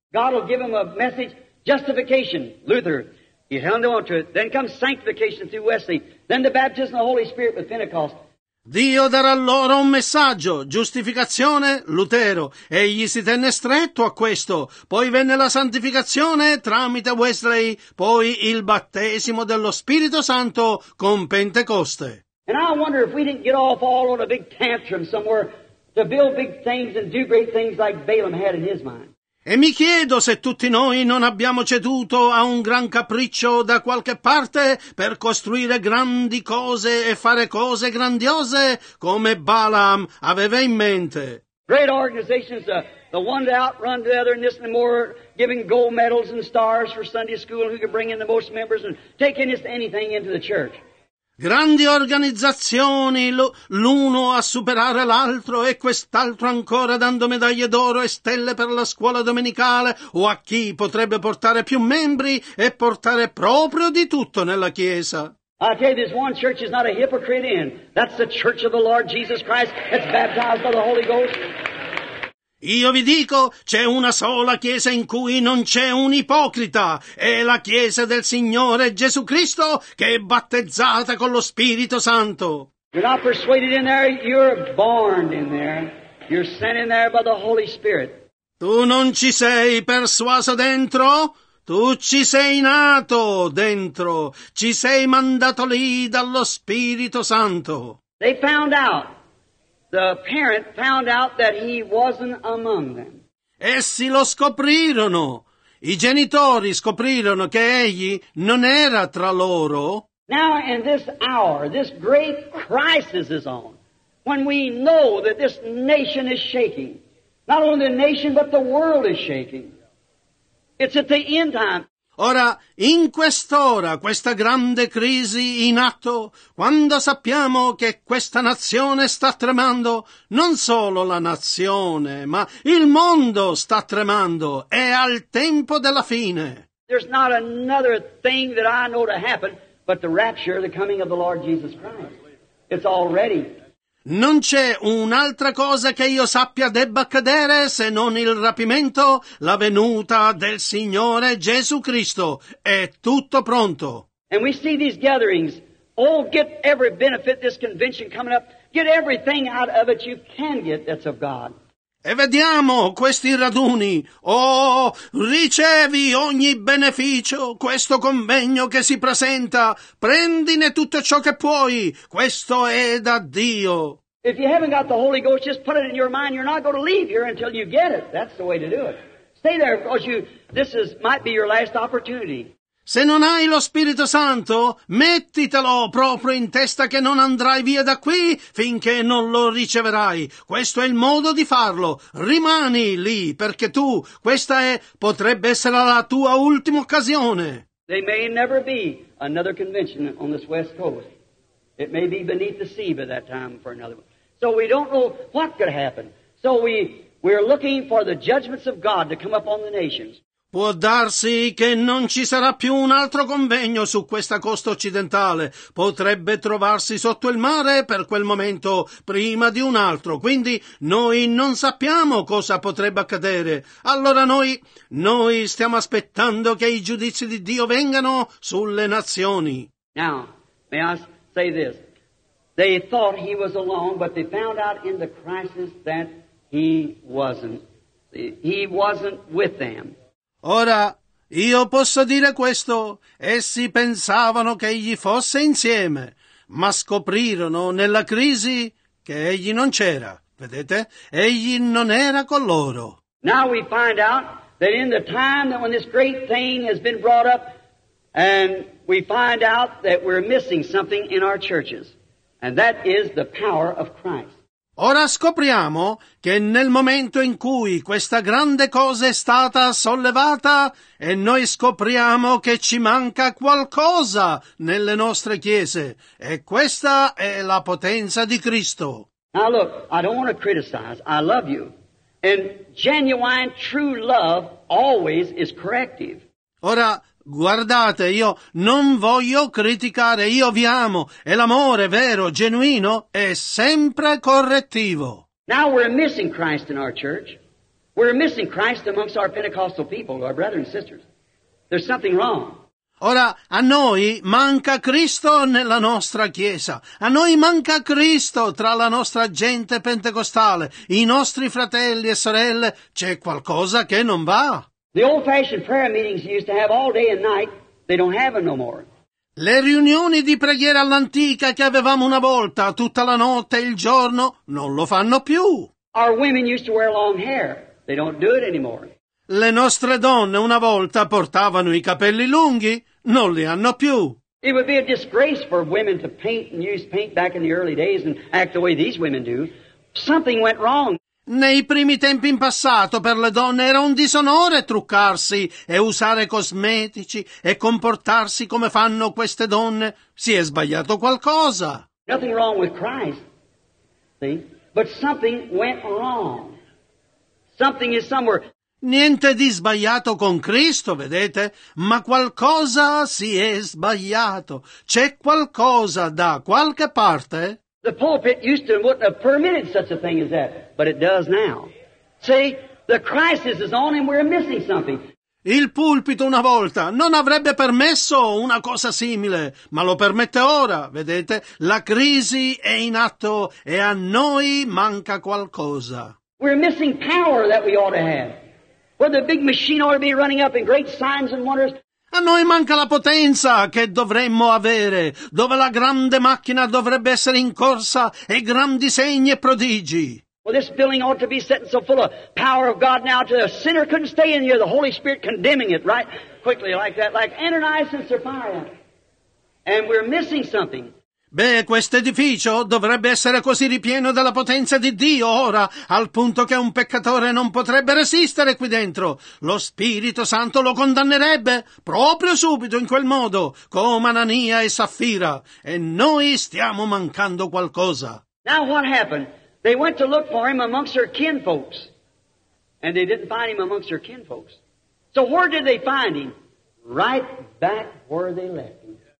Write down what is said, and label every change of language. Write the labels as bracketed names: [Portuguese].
[English] God will give him a message, justification, Luther. He held on to it. Then comes sanctification through Wesley. Then the baptism of the Holy Spirit with Pentecost. [Italian] Dio darà loro un messaggio. Giustificazione, Lutero. Egli si tenne stretto a questo. Poi venne la santificazione tramite Wesley. Poi il battesimo dello Spirito Santo con Pentecoste. [English] And I wonder if we didn't get off all on a big tantrum somewhere to build big things and do great things like Balaam had in his mind. [Italian] E mi chiedo se tutti noi non abbiamo ceduto a un gran capriccio da qualche parte per costruire grandi cose e fare cose grandiose come Balaam aveva in mente. [English] Great organizations, the one to outrun the other and this and more, giving gold medals and stars for Sunday school, who could bring in the most members and take in this anything into the church. [Italian] Grandi organizzazioni, l'uno a superare l'altro e quest'altro ancora dando medaglie d'oro e stelle per la scuola domenicale, o a chi potrebbe portare più membri e portare proprio di tutto nella Chiesa. [English] I tell you, there's one church is not a hypocrite in. That's the church of the Lord Jesus Christ that's baptized by the Holy Ghost. [Italian] Io vi dico, c'è una sola chiesa in cui non c'è un ipocrita, è la chiesa del Signore Gesù Cristo che è battezzata con lo Spirito Santo. [English] You're not persuaded in there, you're born in there. You're sent in there by the Holy Spirit. [Italian] Tu non ci sei persuaso dentro? Tu ci sei nato dentro, ci sei mandato lì dallo Spirito Santo. [English] They found out. The parent found out that he wasn't among them. [Italian] Essi lo scoprirono. I genitori scoprirono che egli non era tra loro. [English] Now in this hour, this great crisis is on. When we know that this nation is shaking. Not only the nation, but the world is shaking. It's at the end time. [Italian] Ora, in quest'ora, questa grande crisi in atto, quando sappiamo che questa nazione sta tremando, non solo la nazione, ma il mondo sta tremando, è al tempo della fine. [English] There's not another thing that I know to happen but the rapture, the coming of the Lord Jesus Christ. It's already. [Italian] Non c'è un'altra cosa che io sappia debba accadere se non il rapimento, la venuta del Signore Gesù Cristo. È tutto pronto. [English] And we see these gatherings. Oh, get every benefit this convention coming up. Get everything out of it you can get that's of God. [Italian] e vediamo questi raduni. Oh, ricevi ogni beneficio, questo convegno che si presenta, prendine tutto ciò che puoi, questo è da Dio. [English] If you haven't got the Holy Ghost, just put it in your mind, you're not going to leave here until you get it. That's the way to do it. Stay there, because this might be your last opportunity. [Italian] Se non hai lo Spirito Santo, mettitelo proprio in testa che non andrai via da qui finché non lo riceverai. Questo è il modo di farlo. Rimani lì, perché potrebbe essere la tua ultima occasione. [English] They may never be another convention on this West Coast. It may be beneath the sea by that time for another one. So we don't know what could happen. So we're looking for the judgments of God to come up on the nations. [Italian] Può darsi che non ci sarà più un altro convegno su questa costa occidentale. Potrebbe trovarsi sotto il mare per quel momento prima di un altro. Quindi noi non sappiamo cosa potrebbe accadere. Allora noi stiamo aspettando che i giudizi di Dio vengano sulle nazioni. [English] Now, may I say this? They thought he was alone, but they found out in the crisis that he wasn't. He wasn't with them. [Italian] Ora, io posso dire questo, essi pensavano che egli fosse insieme, ma scoprirono nella crisi che egli non c'era, vedete? Egli non era con loro. [English] Now we find out that in the time that when this great thing has been brought up, and we find out that we're missing something in our churches, and that is the power of Christ. [Italian] Ora scopriamo che nel momento in cui questa grande cosa è stata sollevata e noi scopriamo che ci manca qualcosa nelle nostre chiese, e questa è la potenza di Cristo. [English] Now look, I don't want to criticize. I love you. And genuine, true love always is corrective. [Italian] Ora, guardate, io non voglio criticare, io vi amo, e l'amore vero, genuino, è sempre correttivo. [English] Now we're missing Christ in our church. We're missing Christ amongst our Pentecostal people, our brothers and sisters. There's something wrong. [Italian] Ora, a noi manca Cristo nella nostra Chiesa. A noi manca Cristo tra la nostra gente pentecostale, i nostri fratelli e sorelle. C'è qualcosa che non va. [English] The old-fashioned prayer meetings you used to have all day and night, they don't have them no more. [Italian] Le riunioni di preghiera all'antica che avevamo una volta, tutta la notte e il giorno, non lo fanno più. [English] Our women used to wear long hair, they don't do it anymore. [Italian] Le nostre donne una volta portavano i capelli lunghi, non li hanno più. [English] It would be a disgrace for women to paint and use paint back in the early days and act the way these women do. Something went wrong. [Italian] Nei primi tempi in passato per le donne era un disonore truccarsi e usare cosmetici e comportarsi come fanno queste donne. Si è sbagliato qualcosa. [English] Nothing wrong with Christ, see? But something went wrong. Something is somewhere. [Italian] Niente di sbagliato con Cristo, vedete? Ma qualcosa si è sbagliato. C'è qualcosa da qualche parte. [English] The pulpit used to wouldn't have permitted such a thing as that, but it does now. See, the crisis is on and we're missing something. [Italian] Il pulpito una volta non avrebbe permesso una cosa simile, ma lo permette ora, vedete? La crisi è in atto e a noi manca qualcosa. [English] We're missing power that we ought to have. Where the big machine ought to be running up in great signs and wonders. [Italian] A noi manca la potenza che dovremmo avere, dove la grande macchina dovrebbe essere in corsa e grandi segni e prodigi. [English] Well, this building ought to be set so full of power of God now to a sinner couldn't stay in here, the Holy Spirit condemning it right quickly like that, like Ananias and Sapphira. And we're missing something. [Italian] Beh, questo edificio dovrebbe essere così ripieno della potenza di Dio ora, al punto che un peccatore non potrebbe resistere qui dentro. Lo Spirito Santo lo condannerebbe proprio subito in quel modo, come Anania e Sapphira. E noi stiamo mancando qualcosa. [English] Now what happened? They went to look for him amongst their kinfolks. And they didn't find him amongst their kinfolks. So where did they find him? Right back where they left him.